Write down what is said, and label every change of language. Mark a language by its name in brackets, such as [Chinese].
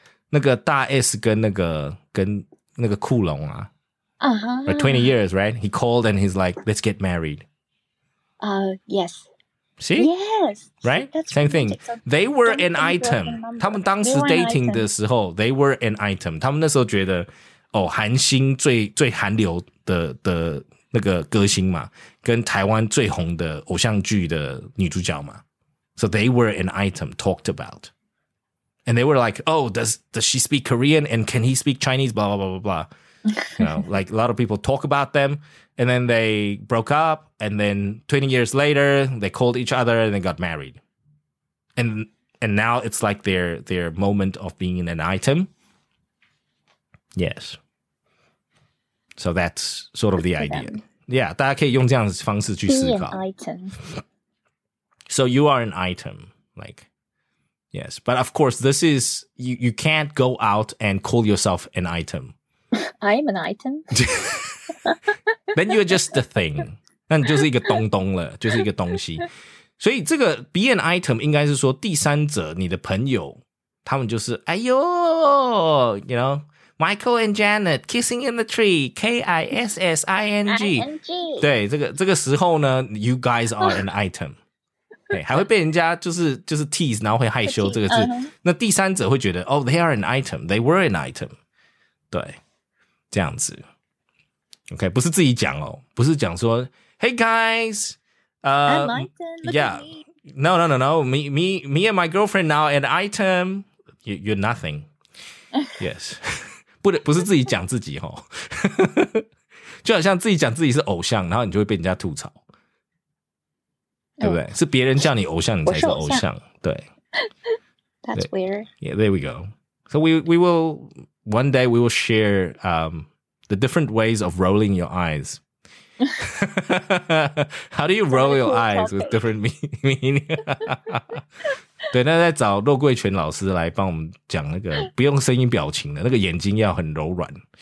[Chinese] 那个大 S 跟那个库龙啊。 Uh-huh. [English] 20 years, right? He called and he's like, let's get married. Yes. See? Yes. Right? Same thing. They were an item. [Chinese] 他们当时 dating 的时候 [English] they were an item. [Chinese] 他们那时候觉得哦韩星最韩流的那个歌星嘛跟台湾最红的偶像剧的女主角嘛。 [English] So they were an item talked about. And they were like, oh, does she speak Korean and can he speak Chinese? Blah, blah, blah, blah, blah. You know, like a lot of people talk about them. And then they broke up, and then 20 years later, they called each other and they got married. And now it's like their moment of being an item. Yes. So that's sort of the idea. [Chinese] Yeah, 大家可以用这样的方式去思考。 [English] Being an item. So you are an item, like, yes. But of course, this is, you can't go out and call yourself an item. I am an item. Then you're just a thing. [Chinese] 那你就是一个东东了，就是一个东西。所以这个 be an item 应该是说第三者，你的朋友，他们就是哎呦 ， [English] you know Michael and Janet kissing in the tree, KISSING。 [Chinese] 对，这个时候呢 ， [English] you guys are an item。 [Chinese] 对，还会被人家就是 tease， 然后会害羞。这个是、 uh-huh. 那第三者会觉得哦、， [English] they are an item, [Chinese] they were an item。对，这样子。 OK, 不是自己讲哦，不是讲说 ， [English] Hey guys, look yeah, no, me and my girlfriend now an item, you're nothing, yes, [Chinese] 不是自己讲自己哦，就好像自己讲自己是偶像，然后你就会被人家吐槽，对不对？是别人叫你偶像，你才是偶像，对。 [English] That's weird. Yeah, there we go. So we will one day we will share The different ways of rolling your eyes. How do you roll your eyes with different meaning? [Chinese] 对，那在找骆桂全老师来帮我们讲那个不用声音表情的那个眼睛要很柔软。